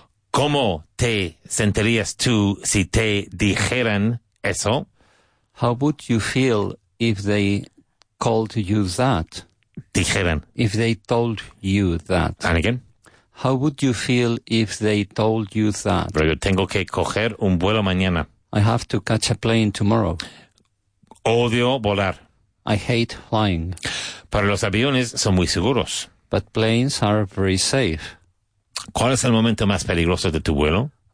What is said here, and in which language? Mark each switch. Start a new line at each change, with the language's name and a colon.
Spanish: ¿Cómo te sentirías tú si te dijeran eso?
English: How would you feel if they called you that?
Spanish: Dijeran.
English: If they told you that. And again? How would you feel if they told you that? Very good.
Spanish: Tengo que coger un vuelo mañana.
English: I have to catch a plane tomorrow.
Spanish: Odio volar.
English: I hate flying.
Spanish: Pero los aviones son muy seguros.
English: But planes are very safe.
Spanish: ¿Cuál es el momento más peligroso de tu vuelo?